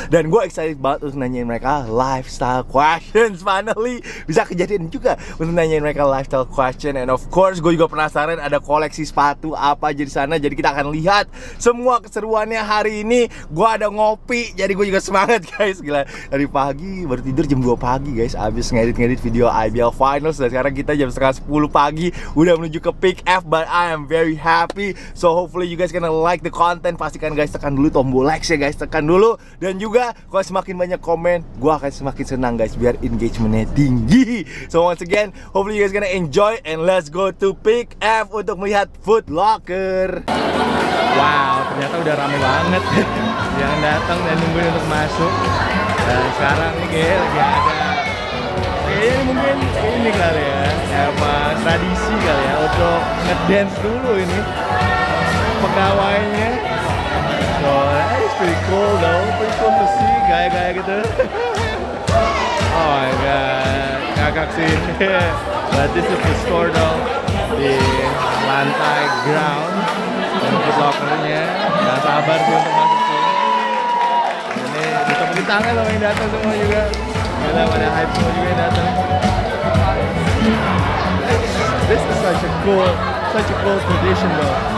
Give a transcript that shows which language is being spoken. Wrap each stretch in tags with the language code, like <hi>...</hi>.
<id>Dan gue excited banget untuk nanyain mereka</id> <en>lifestyle questions.</en> <id>Finally bisa kejadian juga untuk nanyain mereka</id> <en>lifestyle questions. And of course,</en> <id>gue juga penasaran ada koleksi sepatu apa aja di sana. Jadi kita akan lihat semua keseruannya hari ini. Gue ada ngopi, jadi gue juga semangat guys. Gila, dari pagi baru tidur jam 2 pagi guys. Abis ngedit-ngedit video IBL Finals. Dan sekarang kita jam 10 pagi udah menuju ke Pick F.</id> <en>But I am very happy. So hopefully you guys gonna like the content.</en> <id>Pastikan guys, tekan dulu tombol like ya guys. Tekan dulu. Dan juga, kalau semakin banyak komen, gue akan semakin senang guys. Biar engagementnya tinggi.</id> <en>So once again, hopefully you guys gonna enjoy. And let's go to Pick F</en> <id>untuk melihat</id> <en>Foot Locker.</en> <id>Wow, ternyata udah rame banget yang datang dan nungguin untuk masuk. Dan sekarang nih guys, lagi ada kayaknya mungkin ini kali ya, apa tradisi kali ya untuk ngedance dulu ini pegawainya.</id> <en>So, it's pretty cool though, pretty cool to see</en> <id>gaya-gaya gitu.</id> <en>Oh my god,</en> <id>kakak sih.</id> <en>But this is the store though,</en> <id>di lantai ground dan Foot Locker-nya. Gak sabar gue untuk masuk sini. Ini bisa beri tangan sama yang datang semua juga. Gila, pada hype semua juga yang datang.</id> <en>This is such a cool tradition though.</en>